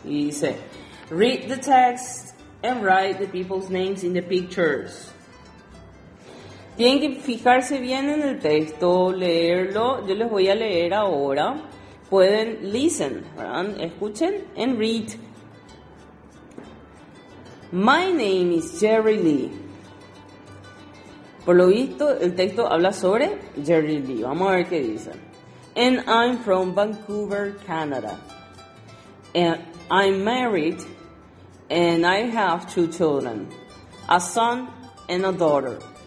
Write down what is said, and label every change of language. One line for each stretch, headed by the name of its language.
Spanish: Y dice,
English: read the text and write the people's names in the pictures.
Spanish: Tienen que fijarse bien en el texto, leerlo. Yo les voy a leer ahora. Pueden listen, ¿verdad?
English: Escuchen and read. My name is Jerry Lee.
Spanish: Por lo visto, el texto habla sobre Jerry Lee. Vamos a ver qué dice.
English: And I'm from Vancouver, Canada. And I'm married and I have two children, a son and a daughter.